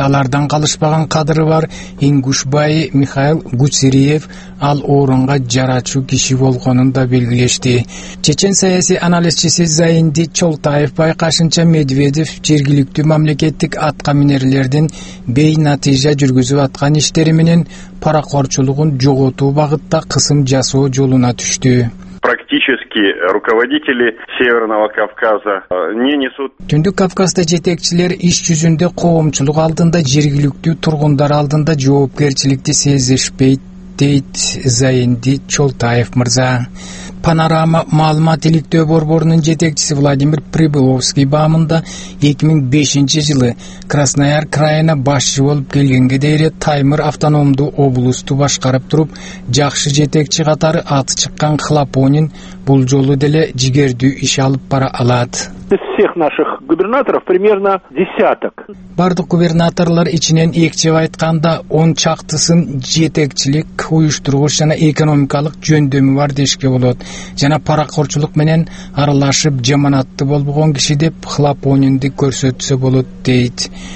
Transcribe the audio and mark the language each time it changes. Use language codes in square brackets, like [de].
[ky] Алардан калышпаган кадры бар Ингушбай Михаил Гуцериев ал орунга жарачу киши болгонун да белгилешти. Чечен саясий аналитчиси Зайинди Чолтаев байкашынча Медведев жергиликтүү мамлекеттик аткаминерлердин бейнатыйжа жүргүзүп аткан иштери менен паракорчулугун жоготуу багытта кысым жасоо жолуна түштү. [ru] Практически руководители Северного Кавказа не несут. [ky] Түндүк Кавказда жетекчилер иш жүзүндө коомчулук алдында жергиликтүү тургундар алдында жоопкерчиликти сезишпейт. Дейт Зайинди Чолтаев мырза. Панорама маалымат иликтөө борборунун жетекчиси Владимир Прибыловский баамында 2005 жылы Краснояр краяна башчы болуп келгенге дейин Таймыр автономдуу облусту башкарып туруп, жакшы жетекчи катары аты чыккан Хлопонин бул жолу деле жигердүү иш алып бара алат. [ru] Из всех наших губернаторов примерно десяток. [ky] Бардык губернаторлор ичинен экчеп айтканда 10 чактысын жетекчилик, уюштургуч жана экономикалык жөндөмү бар дешке болот. Жана паракорчулук менен аралашып жаманатты болбогон киши деп Хлопонинди көрсөтсө болот дейт.